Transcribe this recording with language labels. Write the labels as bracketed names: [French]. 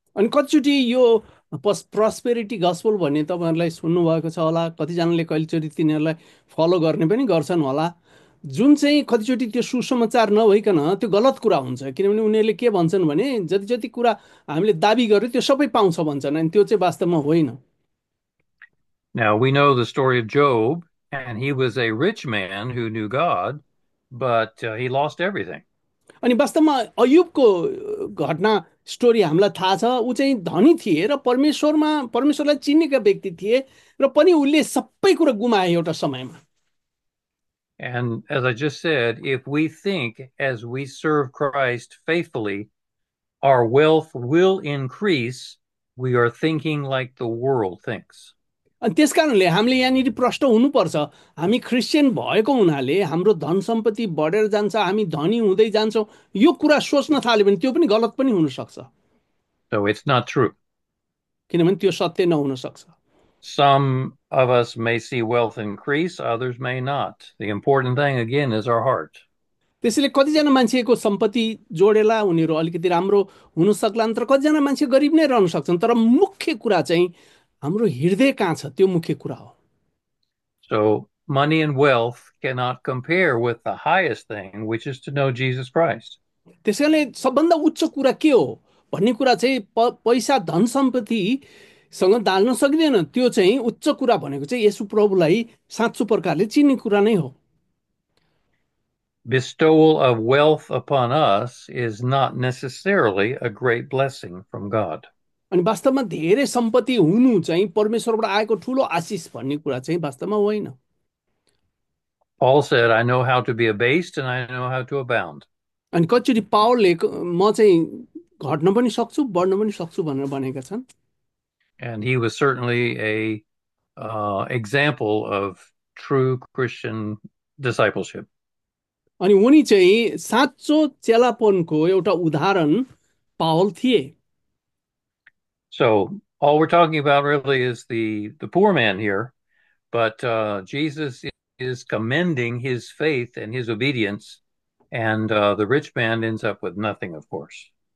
[Nepali] अनि कतिचोटि यो प्रस्पेरिटी गस्पल भन्ने तपाईँहरूलाई सुन्नुभएको छ होला, कतिजनाले कहिलेचोटि तिनीहरूलाई फलो गर्ने पनि गर्छन् होला, जुन चाहिँ कतिचोटि त्यो सुसमाचार नभइकन त्यो गलत कुरा हुन्छ, किनभने उनीहरूले के भन्छन् भने जति जति कुरा हामीले दाबी गर्यो त्यो सबै पाउँछ भन्छन्, अनि त्यो चाहिँ वास्तवमा होइन। [English] Now we know the story of Job, and he was a rich man who knew God, but he lost everything. [Nepali] अनि वास्तवमा अयुबको घटना स्टोरी हामीलाई थाहा छ, ऊ चाहिँ धनी थिए र परमेश्वरमा परमेश्वरलाई चिनेका व्यक्ति थिए, र पनि उसले सबै कुरा गुमाए एउटा समयमा। [English] And as I just said, if we think as we serve Christ faithfully, our wealth will increase, we are thinking like the world thinks. [Nepali] अनि त्यस कारणले हामीले यहाँनिर प्रष्ट हुनुपर्छ, हामी क्रिस्चियन भएको हुनाले हाम्रो धन सम्पत्ति बढेर जान्छ, हामी धनी हुँदै जान्छौँ, यो कुरा सोच्न थाल्यो भने त्यो पनि गलत पनि हुनसक्छ, [English] So it's not true. [Nepali] किनभने त्यो सत्य नहुनसक्छ। [English] Some of us may see wealth increase, others may not. The important thing, again, is our heart. [Nepali] त्यसैले कतिजना मान्छेको सम्पत्ति जोडेला उनीहरू अलिकति राम्रो हुन सक्लान्, तर कतिजना मान्छे गरिब नै रहन सक्छन्, तर मुख्य कुरा चाहिँ हाम्रो हृदय कहाँ छ, त्यो मुख्य कुरा हो। [English] So, money and wealth cannot compare with the highest thing, which is to know Jesus Christ. [Nepali] त्यसैले सबभन्दा उच्च कुरा के हो भन्ने कुरा चाहिँ पैसा धन सम्पत्तिसँग दाल्न सक्दैन, त्यो चाहिँ उच्च कुरा भनेको चाहिँ येशु प्रभुलाई साँचो प्रकारले चिन्ने कुरा नै हो। [English] Bestowal of wealth upon us is not necessarily a great blessing from God. [Nepali] अनि वास्तवमा धेरै सम्पत्ति हुनु चाहिँ परमेश्वरबाट आएको ठुलो आशिष भन्ने कुरा चाहिँ वास्तवमा होइन। [English] Paul said, I know how to be abased and I know how to abound. [Nepali] अनि कचोटि पावलले म चाहिँ घट्न पनि सक्छु बढ्न पनि सक्छु भनेर भनेका छन्। [English] And he was certainly a example of true Christian discipleship. [Nepali] अनि उनी चाहिँ साँचो चेलापनको एउटा उदाहरण पावल थिए। [English] So all we're talking about really is the poor man here, but Jesus is commending his faith and his obedience, and the rich man ends up with nothing, of course.